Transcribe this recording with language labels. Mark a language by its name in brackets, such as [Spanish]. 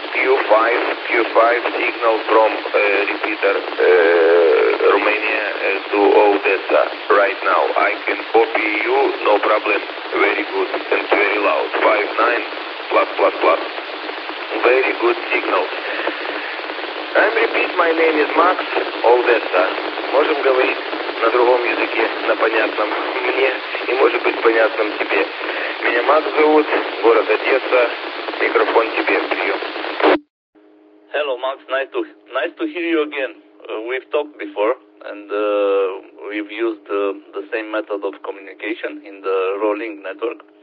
[English] Q5 signal from repeater Romania to Odessa right now. I can copy you, no problem. Very good and very loud. 59++. Very good signal. I'm repeat, my name is Max Odessa. [Russian] Можем говорить на другом языке, на понятном мне, и может быть понятном тебе. Меня Макс зовут, город Одесса, микрофон тебе, прием. [English] Hello, Max, nice to hear you again. We've talked before, and we've used the same method of communication in the rolling network.